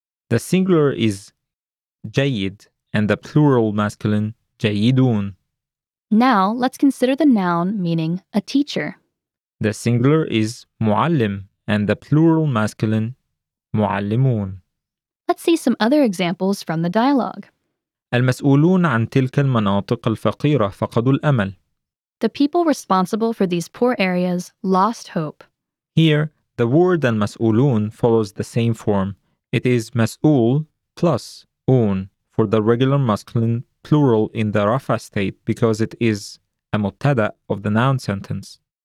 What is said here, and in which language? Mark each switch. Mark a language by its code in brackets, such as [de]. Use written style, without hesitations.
[en] The singular is jayid and the plural masculine jayidun. Now, let's consider the noun meaning a teacher. The singular is muallim and the plural masculine muallimun. Let's see some other examples from the dialogue. [ar] المسؤولون عن تلك المناطق الفقيرة فقدوا الأمل. [en] The people responsible for these poor areas lost hope. Here, the word المسؤولون follows the same form. It is مسؤول plus un for the regular masculine plural in the rafa state because it is a mubtada of the noun sentence.